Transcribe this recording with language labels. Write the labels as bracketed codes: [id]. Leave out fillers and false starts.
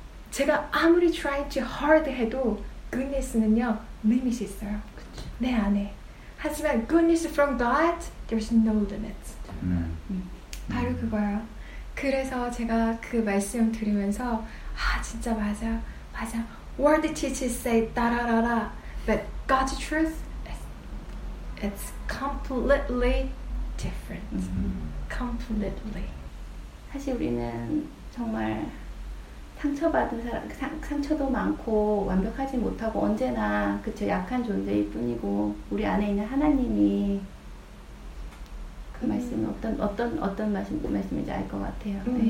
[ko] 제가 아무리 [en] try to hard [ko] 해도 goodness는요 limit이 있어요. 그쵸. 내 안에. 하지만 [en] goodness from God, there's no limit. [ko] 바로 그거예요. 그래서 제가 그 말씀 들으면서 아 진짜 맞아, 맞아. [en] World teaches say 따라라라, but God's truth it's completely different. Completely. [ko] 사실 우리는 정말 상처받은 사람, 상처도 많고 완벽하지 못하고 언제나 그저 약한 존재일 뿐이고 우리 안에 있는 하나님이 그 말씀은 어떤 말씀인지 알 것 같아요.